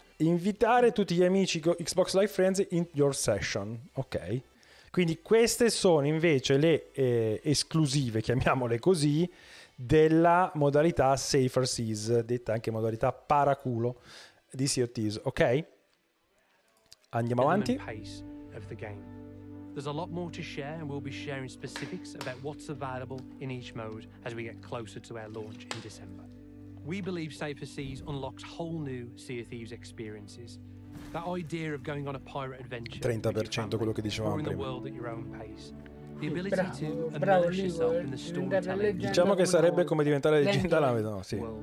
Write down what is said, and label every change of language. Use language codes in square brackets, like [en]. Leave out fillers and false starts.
[it] invitare tutti gli amici [en] Xbox Live Friends in your session, ok. [it] Quindi queste sono invece le esclusive, chiamiamole così, della modalità Safer Seas, detta anche modalità paraculo di Sea of Thieves, ok? Andiamo avanti. [en] There's a lot more to share and we'll be sharing specifics about what's available in each mode as we get closer to our launch in December. We believe Safer Seas unlocks whole new Sea of Thieves experiences. That idea of going on a pirate adventure. [it] 30% quello che dicevamo prima. [en] The world at your own pace. The ability to immerse yourself in the storytelling. [it] Diciamo che sarebbe come diventare leggenda, la vedo, no, sì.